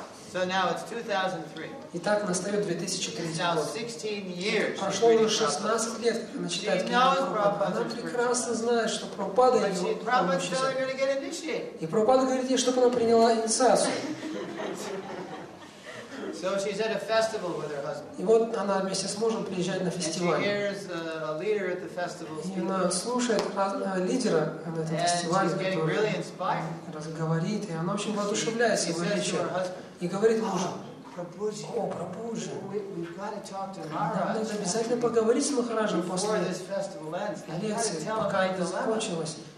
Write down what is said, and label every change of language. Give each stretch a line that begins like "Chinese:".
English: So now it's 2003.
Russian: Итак, настаёт 2003 год.
English: 16 years.
Russian: Прошло уже 16 лет, как она читает книгу Прабхупады. Она прекрасно знает, что Прабхупада её учитель. И Прабхупада говорит ей, чтобы она приняла инициацию.
English: So she's at a festival with her husband.
Russian: И вот она вместе с мужем приезжает на фестиваль. И она слушает лидера на этом фестивале, который разговаривает, и она очень воодушевляется его речью. И говорит мужу: о, Прабхуджи, нам надо обязательно поговорить с Махараджем после лекции, пока это закончилось.